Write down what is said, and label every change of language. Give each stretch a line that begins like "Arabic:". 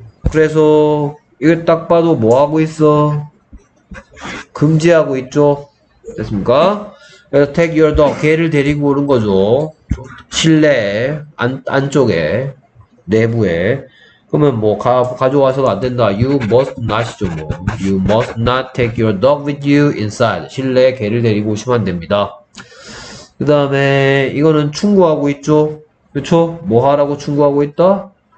Korean: 그래서 이거 딱 봐도 뭐 하고 있어? 금지하고 있죠? 됐습니까? 그래서
English: take your dog,
Korean: 개를 데리고 오는 거죠. 실내 안쪽에 내부에. 그러면 뭐 가져와서도 안 된다.
English: You must not이죠 뭐. You must not take your dog with you inside.
Korean: 실내 개를 데리고 오시면 안 됩니다. 그 다음에 이거는 충고하고 있죠. 그쵸? 뭐 하라고 충고하고 있다?